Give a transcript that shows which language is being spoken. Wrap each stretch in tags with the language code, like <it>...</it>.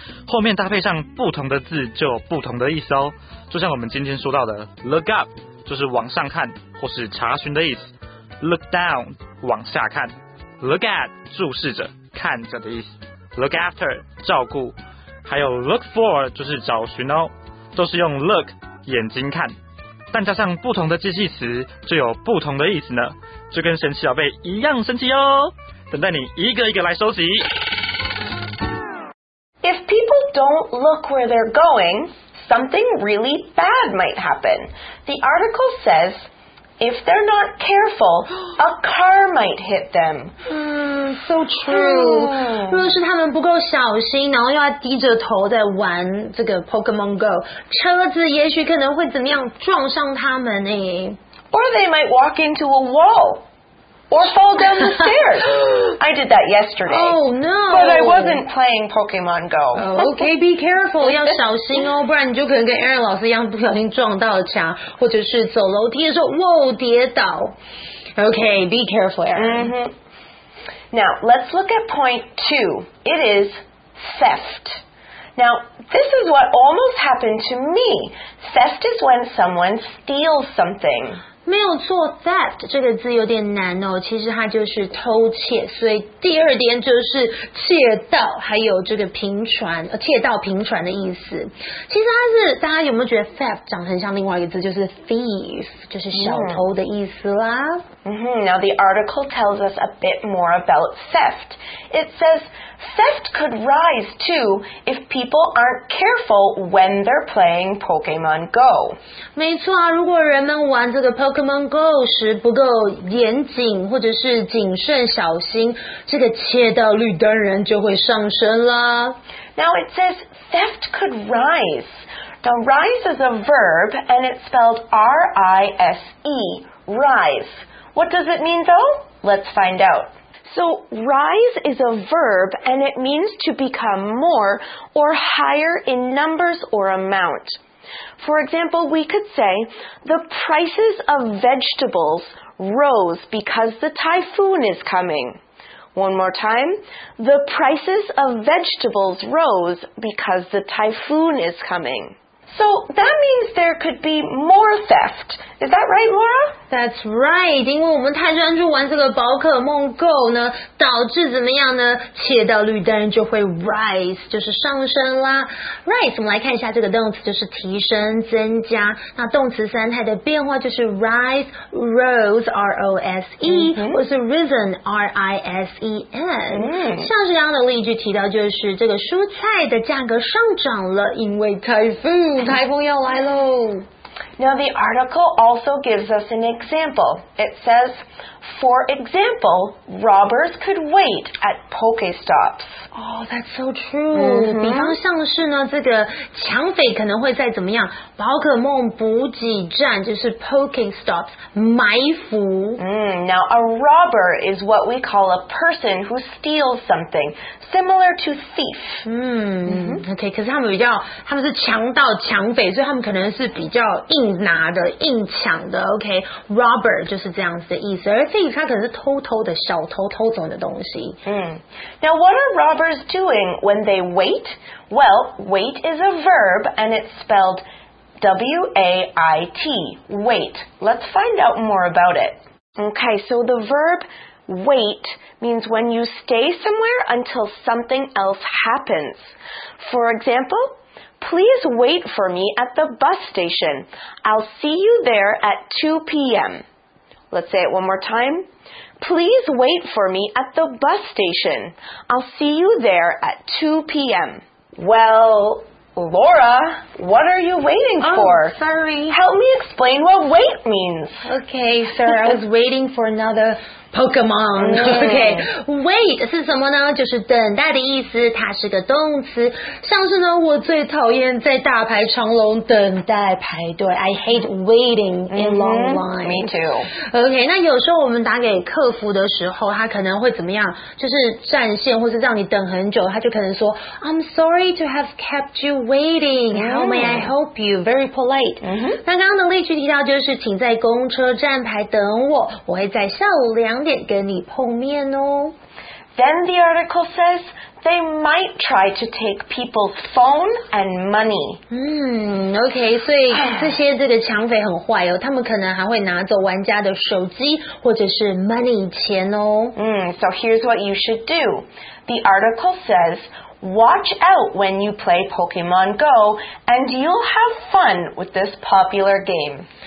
<zh>后面搭配上不同的字，就有不同的意思哦。就像我们今天说到的 ，look up 就是往上看或是查询的意思 ，look down 往下看 ，look at 注视着、看着的意思 ，look after 照顾，还有 look for 就是找寻哦，都是用 look 眼睛看。但加上不同的机器词就有不同的意思呢，就跟神奇宝贝一样神奇哦，等待你一个一个来收集。</zh> <en>If people don't look where they're going, something really bad might happen. The article says, if they're not careful, a car might hit them. So true.</en> <zh>若是他们不够小心，然后又要低着头在玩这个 Pokemon Go， 车子也许可能会怎么样撞上他们呢？</zh> <en>Or they might walk into a wall. Or fall down the stairs. I did that yesterday. Oh no. But I wasn't playing Pokemon Go. Okay, be careful.</en> <zh>要小心哦，不然你就可能跟 Aaron 老师一样不小心撞到了墙，或者是走楼梯的时候，whoa，跌倒。</zh> <en>Okay, be careful, Aaron. Mm-hmm. Now, let's look at point two. It is theft. Now, this is what almost happened to me. Theft is when someone steals something.</en> <zh>没有错 ,theft 这个字有点难哦，其实它就是偷窃，所以第二点就是窃盗，还有这个平传，窃盗平传的意思。其实它是，大家有没有觉得 theft 长得很像另外一个字，就是 thief, 就是小偷的意思啦。</zh> <en>Now the article tells us a bit more about theft. It says, theft could rise too if people aren't careful when they're playing Pokemon Go.</en> <zh>没错啊，如果人们玩这个 Pokemon Go 时不够严谨或者是谨慎小心，这个窃盗率当然就会上升啦。</zh> <en>Now it says, theft could rise. Now rise is a verb and it's spelled R-I-S-E, rise. What does it mean, though? Let's find out. So, rise is a verb, and it means to become more or higher in numbers or amount. For example, we could say, the prices of vegetables rose because the typhoon is coming. One more time. The prices of vegetables rose because the typhoon is coming. So that means there could be more theft. Is that right, Laura? That's right.</en> <zh>因为我们太专注玩这个宝可梦 Go 呢，导致怎么样呢？窃盗率当然就会 rise， 就是上升啦。 Rise， 我们来看一下这个动词，就是提升、增加。那动词三态的变化就是 rise, rose, R O S E， 或是 risen, R I S E N。像这样的例句提到，就是这个蔬菜的价格上涨了，因为台风。台风要来喽。</zh> <en>Now the article also gives us an example. It says, for example, robbers could wait at Pokestops. Oh, that's so true.</en> <zh>比方像是呢，这个抢匪可能会在怎么样？宝可梦补给站，就是 Pokestops 埋伏。</zh> <en>Now a robber is what we call a person who steals something, similar to thief.</en> <zh>Okay, 可是他们比较，他们是强盗、抢匪，所以他们可能是比较硬。硬拿的硬抢的 OK robber 就是这样子的意思而 thief 它可能是偷偷的小偷偷走的东西、</zh> <en>Now what are robbers doing when they wait? Well, wait is a verb and it's spelled W-A-I-T wait Let's find out more about it Okay, so the verb wait means when you stay somewhere until something else happens For exampleplease wait for me at the bus station. I'll see you there at 2 p.m. Let's say it one more time. Please wait for me at the bus station. I'll see you there at 2 p.m. Well, Laura, what are you waiting for? Oh, sorry. Help me explain what wait means. Okay, sir, I was waiting for another...</en> <zh>Pokemon, OK. Wait 是什么呢？就是等待的意思，它是个动词。像是呢，我最讨厌在大排长龙等待排队。</zh> <en>I hate waiting in long lines. Me too.</en> <zh>OK, 那有时候我们打给客服的时候，他可能会怎么样？就是占线或是让你等很久，他就可能说</zh> <en>I'm sorry to have kept you waiting. How may I help you? Very polite.</en> <zh>那刚刚的例句提到就是请在公车站牌等我，我会在下午2点跟你碰面哦。</zh> <en>Then the article says they might try to take people's phone and money.</en> <zh>OK, 所以这些这个抢匪很坏哦，他们可能还会拿走玩家的手机或者是 money 钱哦。</zh> <en>So here's what you should do. The article says, watch out when you play Pokemon Go and you'll have fun with this popular game.</en>